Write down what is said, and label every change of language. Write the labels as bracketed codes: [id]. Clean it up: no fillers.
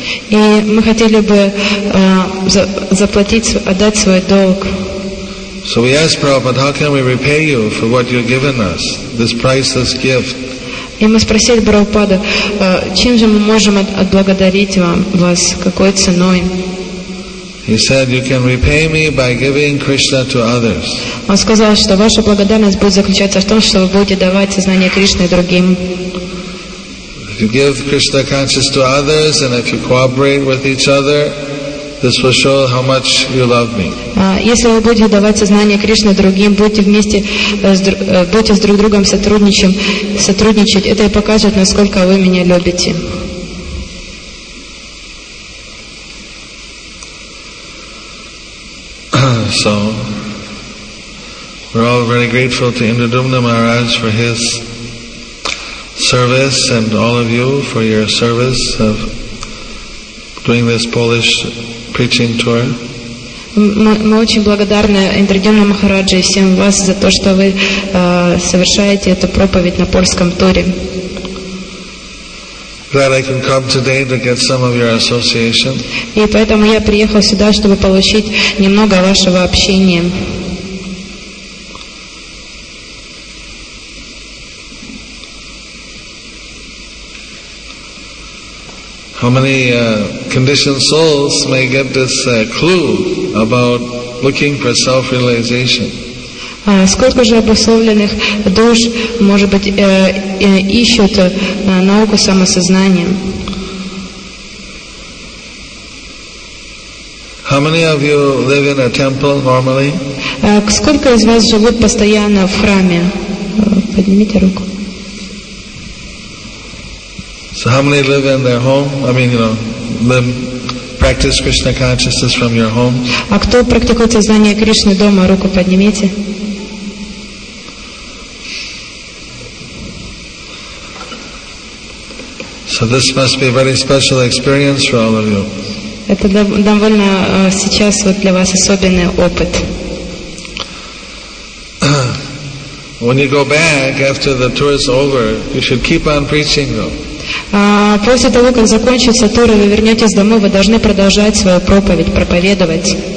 [ru] И мы хотели бы заплатить, отдать свой долг. [en] So we asked Prabhupada, how can we repay you for what you've given us, this priceless gift? [ru] И мы спросили Прабхупада, чем же мы можем отблагодарить вас, какой ценой? [en] He said, you can repay me by giving Krishna to others. [ru] Он сказал, что ваша благодарность будет заключаться в том, что вы будете давать сознание Кришны другим. [en] If you give Krishna consciousness to others, and if you cooperate with each other, this will show how much you love me. [ru] Если вы будете давать сознание Кришне другим, будете вместе, будете с друг другом сотрудничать, это и покажет, насколько вы меня любите. [en] So, we're all very grateful to Indradumna Maharaj for his service and all of you for your service of doing this Polish preaching tour. [ru] Мы очень благодарны Индрадюмна Махараджи и всем вас за то, что вы совершаете эту проповедь на польском туре. [en] Glad I can come today to get some of your association. [ru] И поэтому я приехал сюда, чтобы получить немного вашего общения. [en] How many conditioned souls may get this clue about looking for self-realization? [ru] Сколько же обусловленных душ, может быть, ищут науку самосознания? [en] How many of you live in a temple normally? [ru] Сколько из вас живут постоянно в храме? Поднимите руку. [en] So how many live in their home? I mean, you know, live, practice Krishna consciousness from your home? [ru] А кто практикует сознание Кришны дома? Руку поднимите. [en] So this must be a very special experience for all of you. [ru] Это довольно сейчас вот для вас особенный опыт. [en] When you go back after the tour is over, you should keep on preaching though. [ru] После того, как закончится тур, и вы вернетесь домой, вы должны продолжать свою проповедь, проповедовать.